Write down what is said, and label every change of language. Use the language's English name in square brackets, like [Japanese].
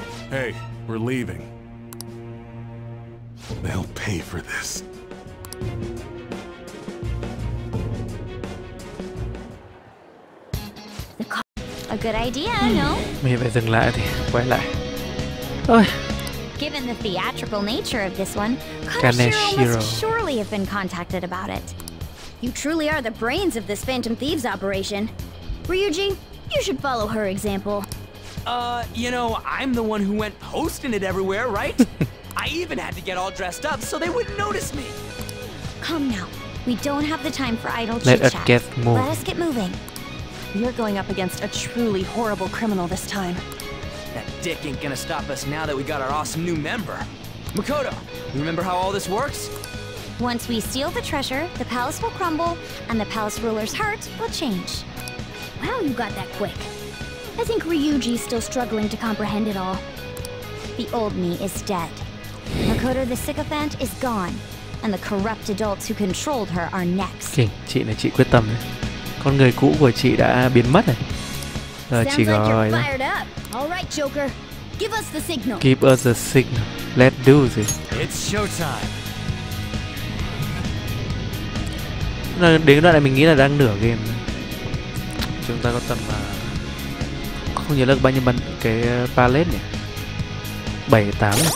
[English] Hey, we're leaving. They'll pay for this. The car. A good idea, no? [Vietnamese] Mình phải dừng lại thì quay lại. [English] Given the theatrical nature of this one, Kaneshiro must surely have been contacted about it. You truly are the brains of this Phantom Thieves operation. Ryuji, you should follow her example. You know, I'm the one who went posting it everywhere, right? I even had to get all dressed up so they wouldn't notice me. Come now. We don't have the time for idle chit-chat. Let us get moving. You're going up against a truly horrible criminal this time. That dick ain't gonna stop us now that we got our awesome new member. Makoto, you remember how all this works? Once we steal the treasure, the palace will crumble, and the palace ruler's heart will change. Wow, you got that quick. I think Ryuji's still struggling to comprehend it all. The old me is dead. Makoto the sycophant is gone, and the corrupt adults who controlled her are next. [Vietnamese] Okay, chị này chị quyết tâm rồi. Con người cũ của chị đã biến mất rồi. [English] Sounds like you're fired up. All right, Joker, give us the signal. Give us the signal. Let's do this. It's showtime. [Vietnamese] Đến đoạn này mình nghĩ là đang nửa game. Chúng ta có tầm không nhớ là bao nhiêu bản cái palette nhỉ? 7-8.